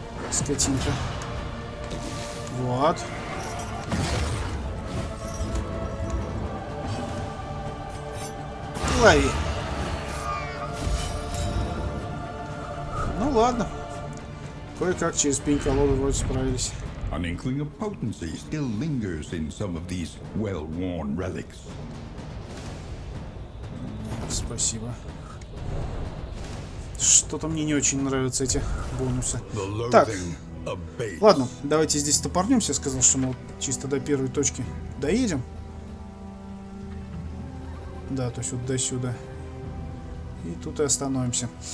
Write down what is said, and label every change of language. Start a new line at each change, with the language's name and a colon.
Russian: Скотинка. Вот. Лови. Ну ладно. Кое-как через пень колоду вроде справились.
English: An inkling of potency still lingers in some of these well-worn relics.
Russian: Спасибо. Что-то мне не очень нравятся эти бонусы. Так, ладно, давайте здесь стопорнемся. Я сказал, что мы вот чисто до первой точки доедем. Да, то есть вот до сюда. И тут и остановимся.